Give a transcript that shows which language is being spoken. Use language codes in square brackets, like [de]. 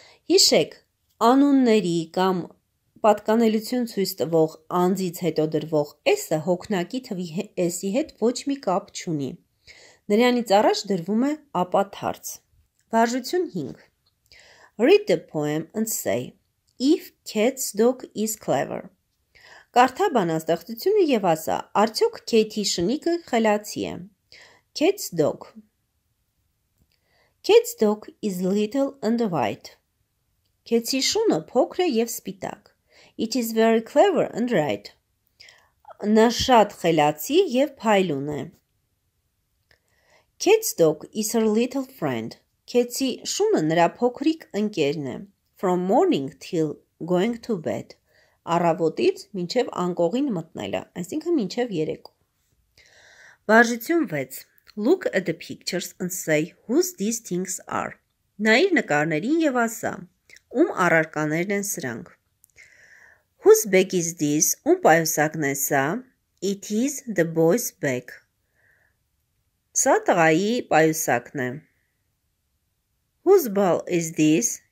[hy] Հիշեք, անունների կամ պատկանելություն ցույց տվող անձից հետո դրվող s-ը հոգնակի թվի s-ի հետ ոչ մի կապ չունի։ Նրանից առաջ դրվում է ապաթարց։ Վարժություն 5. [en] Read the poem and say if cat's dog is clever. [hy] Կարդա բանաստեղծությունը եւ ասա, արդյոք Kate-ի շնիկը խելացի է։ [en] Cat's dog. Cat's dog is little and white. [hy] Cat-ի շունը փոքր է եւ սպիտակ։ [en] It is very clever and right. [hy] Նա շատ խելացի եւ փայլուն է։ [en] Cat's dog is her little friend. [hy] Cat-ի շունը նրա փոքրիկ ընկերն է. [en] From morning till going to bed. [hy] Առավոտից մինչև անկողին մտնելը, այսինքն մինչև երեկո։ Վարժություն 6. [en] Look at the pictures and say whose these things are. [hy] Նայիր նկարներին եւ ասա, ում առարկաներն են սրանք։ [en] Whose bag is this? [hy] Ում պայուսակն է սա? [en] It is the boy's bag. [hy] Սա տղայի պայուսակն է։ [en] Whose ball is this?